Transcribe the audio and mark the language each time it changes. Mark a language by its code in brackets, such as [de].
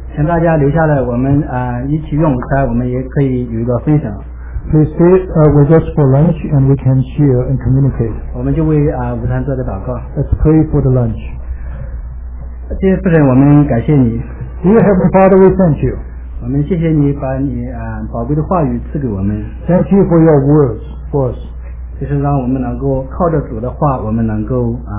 [zh] 请大家留下来我们, 一起用午餐, [en] please stay with us for lunch and we can share and communicate. [zh] 我们就为, 午餐做的祷告。 [en] Let's pray for the lunch. [zh] 谢谢父神, [en] Dear Heavenly Father, we thank you. [zh] 我们谢谢你把你, [en] thank you for your words for us. [zh] 就是让我们能够靠着主的话, 我们能够,